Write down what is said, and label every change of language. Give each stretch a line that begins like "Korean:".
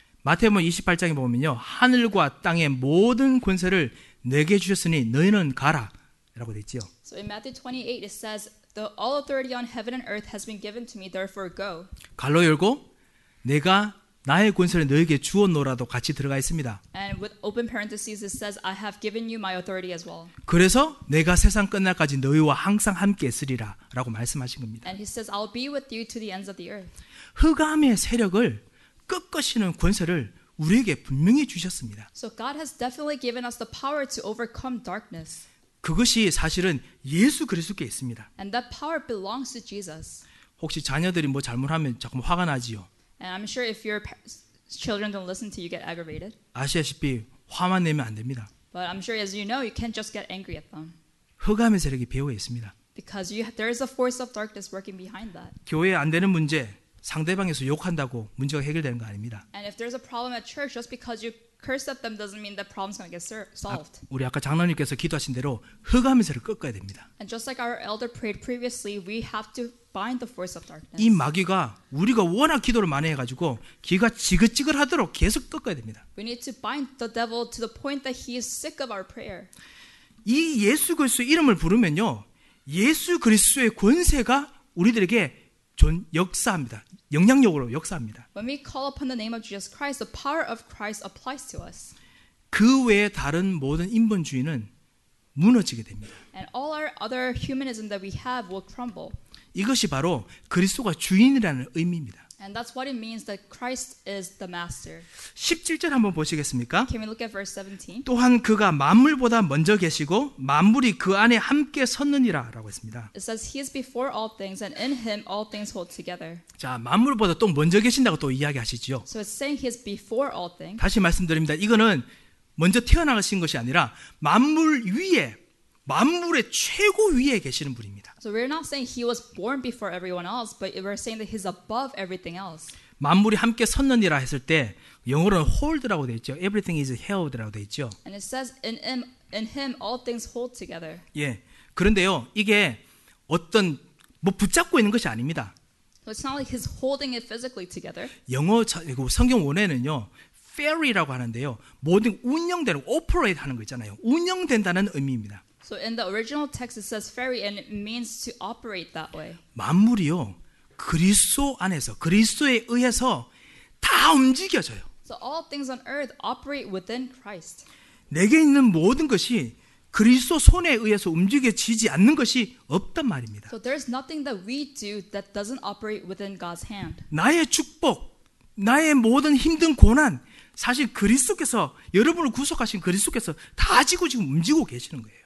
Korean: 마태복음 28장에 보면요, 하늘과 땅의 모든 권세를 내게 주셨으니 너희는 가라라고 되죠.
English: So in Matthew 28 it says the all authority on heaven and earth has been given to me, therefore go.
Korean: 갈로 열고 내가 나의 권세를 너에게 주었노라도 같이 들어가 있습니다.
English: And with open parentheses it says I have given you my authority as well.
Korean: 그래서 내가 세상 끝날까지 너희와 항상 함께 있으리라라고 말씀하신 겁니다.
English: And he says I'll be with you to the ends of the earth.
Korean: 흑암의 세력을 꺾으시는 권세를 우리에게 분명히 주셨습니다.
English: So God has definitely given us the power to overcome darkness.
Korean: 그것이 사실은 예수 그리스도께 있습니다.
English: And that power belongs to Jesus.
Korean: 혹시 자녀들이 뭐 잘못하면 자꾸 화가 나지요.
English: And I'm sure if your children don't listen to you, you get aggravated.
Korean: 아시다시피 화만 내면 안 됩니다.
English: But I'm sure as you know, you can't just get angry at them.
Korean: 허감의 세력이 배후에 있습니다.
English: Because you, there is a force of darkness working behind that.
Korean: 교회 안 되는 문제 상대방에서 욕한다고 문제가 해결되는 거 아닙니다.
English: And if there's a problem at church, just because you curse at them doesn't mean the problem's going to get solved.
Korean: 우리 아까 장로님께서 기도하신 대로 허감의 세력을 꺾어야 됩니다.
English: And just like our elder prayed previously, we have to bind the force of darkness.
Korean: 이 마귀가 우리가 워낙 기도를 많이 해가지고 귀가 지긋지긋하도록 계속 꺾어야 됩니다.
English: We need to bind the devil to the point that he is sick of our prayer.
Korean: 이 예수 그리스도 이름을 부르면요, 예수 그리스도의 권세가 우리들에게 역사합니다. 영향력으로 역사합니다.
English: When we call upon the name of Jesus Christ, the power of Christ applies to us.
Korean: 그 외에 다른 모든 인본주의는 무너지게 됩니다.
English: And all our other humanism that we have will crumble.
Korean: 이것이 바로 그리스도가 주인이라는 의미입니다.
English: And that's what it means that Christ is the master.
Korean: 17절 한번 보시겠습니까?
English: Can we look at verse 17?
Korean: 또한 그가 만물보다 먼저 계시고 만물이 그 안에 함께 섰느니라라고 했습니다.
English: It says he is before all things and in him all things hold together.
Korean: 자, 만물보다 또 먼저 계신다고 또 이야기하시죠.
English: So it's saying he is before all things.
Korean: 다시 말씀드립니다. 이거는 먼저 태어나신 것이 아니라 만물 위에 만물의 최고 위에 계시는 분입니다.
English: So we're not saying he was born before everyone else, but we're saying that he's above everything else.
Korean: 만물이 함께 섰느니라 했을 때 영어로는 hold라고 돼 있죠.
English: Everything is held
Korean: 라고 돼 있죠.
English: And it says in him all things hold together.
Korean: 예. 그런데요. 이게 어떤 뭐 붙잡고 있는 것이 아닙니다.
English: So it's not like he's holding it physically together.
Korean: 영어 그리고 성경 원어에는요. ferry라고 하는데요. 모든 운영되는 operate 하는 거 있잖아요. 운영된다는 의미입니다.
English: So in the original text it says ferry and it means to operate that way.
Korean: 만물이요. 그리스도 안에서 그리스도에 의해서 다 움직여져요.
English: So all things on earth operate within Christ.
Korean: 내게 있는 모든 것이 그리스도 손에 의해서 움직여지지 않는 것이 없단 말입니다.
English: So there's nothing that we do that doesn't operate within God's hand.
Korean: 나의 축복, 나의 모든 힘든 고난 사실 그리스도께서 여러분을 구속하신 그리스도께서 다 지고 지금 움직이고 계시는 거예요.